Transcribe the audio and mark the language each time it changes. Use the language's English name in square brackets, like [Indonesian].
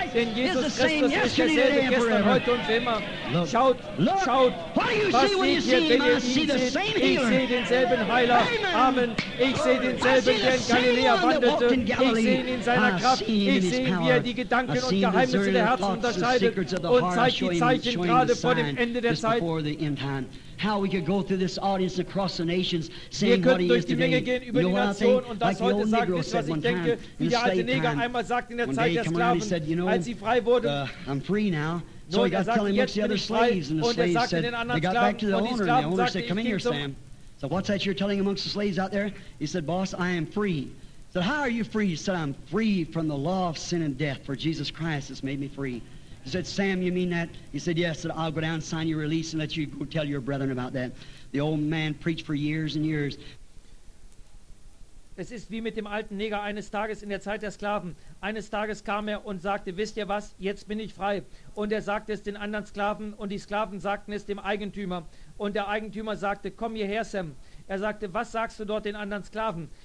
[German] Denn Jesus Christus ist derselbe gestern, heute und für immer. Schaut, schaut, was seht ihr, wenn ihr ihn seht? Ich sehe denselben Heiler, Amen. Ich sehe denselben, der in Galiläa wandelte. Ich sehe ihn in seiner Kraft. Ich sehe, wie er die Gedanken und Geheimnisse der Herzen unterscheidet und zeigt die Zeichen gerade vor dem Ende der Zeit. [English] How we could go through this audience across the nations saying what he is today. [German] Gehen, über [English] you know what I think? Like the old Negro said one time in the slave time. One day he came around and he said, you know, I'm free now. So he got to tell him what the other slaves and the slaves said. They got back to the owner and the owner said, come in here, Sam. So what's that you're telling amongst the slaves out there? He said, boss, I am free. He said, how are you free? He said, I'm free from the law of sin and death, for Jesus Christ has made me free. He said, Sam, you mean that? He said, yes. He said, I'll go down and sign your release and let you go tell your brethren about that. The old man preached for years and years. [German] Es ist wie mit dem alten Neger eines Tages in der Zeit der Sklaven. Eines Tages kam er und sagte, wisst ihr was, jetzt bin ich frei. Und er sagte es den anderen Sklaven und die Sklaven sagten es dem Eigentümer. Und der Eigentümer sagte, komm hierher, Sam. Er sagte, was sagst du dort den anderen Sklaven?